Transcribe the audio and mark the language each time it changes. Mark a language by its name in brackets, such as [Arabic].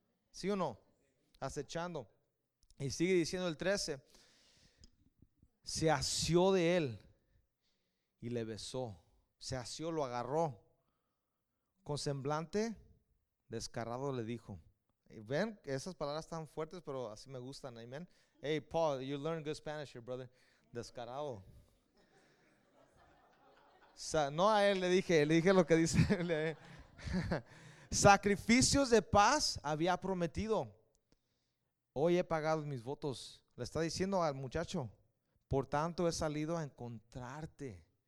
[Spanish] ¿Sí o no? Acechando. Y sigue diciendo el 13. Se asió de él y le besó. Se asió, lo agarró. Con semblante descarado le dijo. Ven, esas palabras tan fuertes, pero así me gustan. Amen. [English] Hey, Paul, you learn good Spanish here, brother. [Spanish] Descarado. No a él le dije lo que dice. Sacrificios de paz había prometido. Hoy he pagado mis votos. Le está diciendo al muchacho. Por tanto, he salido a encontrarte.